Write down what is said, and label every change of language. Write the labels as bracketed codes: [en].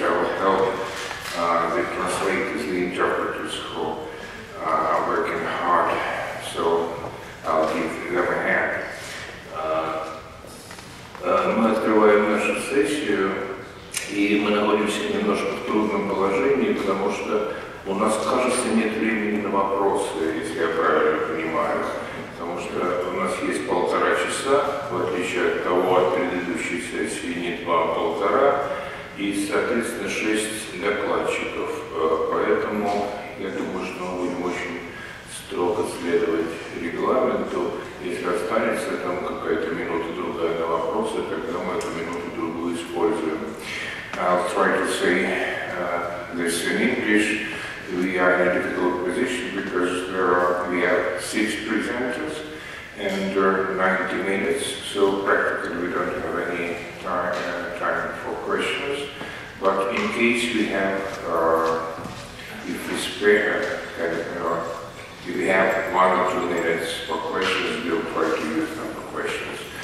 [en] I will help the translators, the interpreters who are working hard. So I'll give them a hand. [ru] Мы открываем нашу сессию, и мы находимся немножко в трудном положении, потому что у нас, кажется, нет времени на вопросы, если я правильно понимаю. Потому что у нас есть полтора часа, в отличие от того, от предыдущей сессии не два, а полтора, и, соответственно, шесть докладчиков. Поэтому я думаю, что мы будем очень строго следовать регламенту. Если останется там какая-то минута другая на вопросы, тогда мы эту минуту другую используем. [en] I'll try to say this in English. We are in a difficult position because we have six presenters and 90 minutes, so practically we don't have any time for questions. But in case we have, if we have 1 or 2 minutes for questions, we'll try to use them for questions.